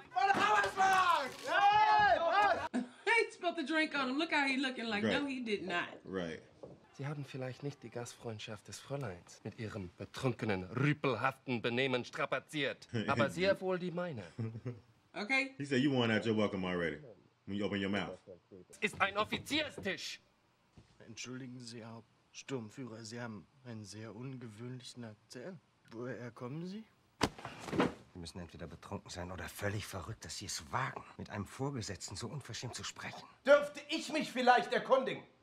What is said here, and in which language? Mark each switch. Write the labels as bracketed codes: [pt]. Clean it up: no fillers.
[de] Von Hammersmark! Hey! Was? [en] He spilled the drink on him. Look how he looking like. Right. No, he did not. Right. [de] Sie haben vielleicht nicht die Gastfreundschaft des Fräuleins mit ihrem betrunkenen, rüpelhaften Benehmen strapaziert, aber sehr wohl die meine. [en] Okay. He said, you won at your welcome already, when you open your mouth. [de] Ist ein Offizierstisch. Entschuldigen Sie, Hauptsturmführer, Sie haben einen sehr ungewöhnlichen Akzent. Woher kommen Sie? Sie müssen entweder betrunken sein oder völlig verrückt, dass Sie es wagen, mit einem Vorgesetzten so unverschämt zu sprechen. Dürfte ich mich vielleicht erkundigen?